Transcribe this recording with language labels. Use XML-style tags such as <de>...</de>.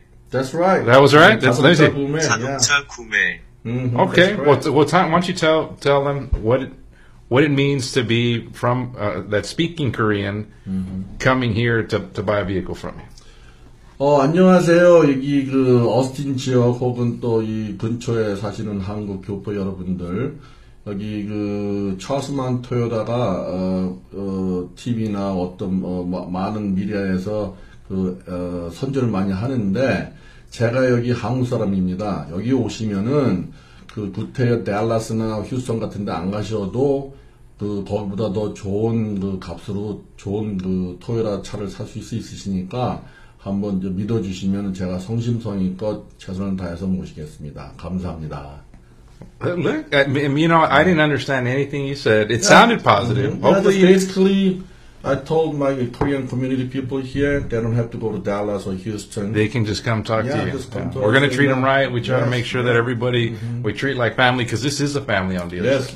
<en>That was right? That's lazy. Okay. Well, why don't you tell them what it means to be from that speaking Korean coming here to buy a vehicle from you?</en> <ko>안녕하세요. 여기 그 어스틴 지역 혹은 또 이 근처에 사시는 한국 교포 여러분들. 여기 그 차스만 토요다가 TV나 어떤 많은 미디어에서 그 선전을 많이 하는데 제가 여기 한국 사람입니다. 여기 오시면은 그 구태여 댈러스나 휴스턴 같은 데 안 가셔도 그 거기보다 더 좋은 그 값으로 좋은 그 토요다 차를 살 수 있으시니까 한번 믿어주시면 제가 성심성의껏 최선을 다해서 모시겠습니다. 감사합니다.</ko> <en>Look, you know, I didn't understand anything you said. It sounded positive. Hopefully, yeah, basically, I told my Korean community people here they don't have to go to Dallas or Houston. They can just come talk to you. Just come talk We're going to treat them right. We try to make sure that everybody we treat like family because this is a family owned dealership.</en>